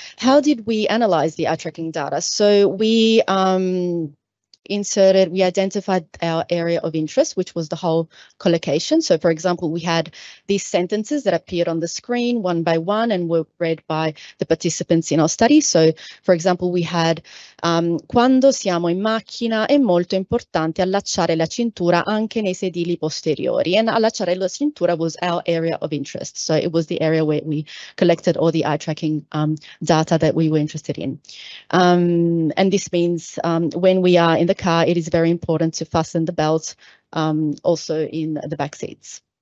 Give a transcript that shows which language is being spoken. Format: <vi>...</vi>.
<en>How did we analyze the eye tracking data? So we we identified our area of interest, which was the whole collocation. So for example, we had these sentences that appeared on the screen one by one and were read by the participants in our study. So for example, we had</en> <it>quando siamo in macchina è molto importante allacciare la cintura anche nei sedili posteriori.</it> <en>And</en> <it>allacciare la cintura</it> <en>was our area of interest. So it was the area where we collected all the eye tracking data that we were interested in. And this means when we are in the car, it is very important to fasten the belt also in the back seats.</en>